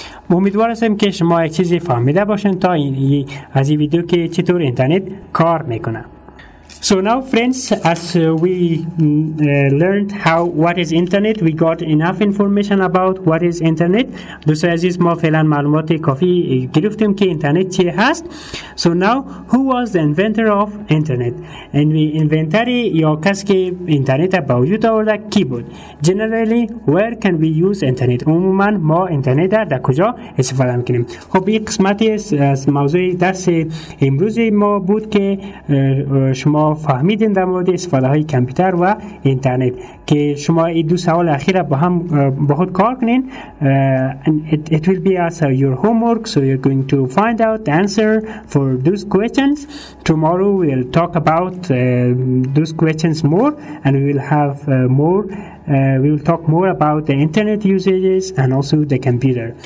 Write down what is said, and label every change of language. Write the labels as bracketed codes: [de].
[fa] امیدوار هستم که شما یک چیزی فهمیده باشین تا از این ویدیو که چطور اینترنت کار میکنه. [en] So now, friends, as we learned how what is internet, we got enough information about what is internet. [fa] دوستای عزیز، ما فعلا معلومات کافی گرفتیم که اینترنت چی هست. [en] So now, who was the inventor of internet? And we inventory [fa] یا کس که اینترنت را به وجود آورد کی بود؟ [en] Generally, where can we use internet? [fa] عموما ما اینترنت را در کجا استفاده میکنیم؟ خب این قسمتی از موضوع درس امروز ما بود که شما فهمیدین در مورد استفاده های کمپیوتر و اینترنت، که شما این دو سوال اخیر با هم با خود کار کنین. [en] It will be as your homework, so you're going to find out the answer for those questions. Tomorrow we'll talk about those questions more, and we will have we will talk more about the internet usages and also the computer.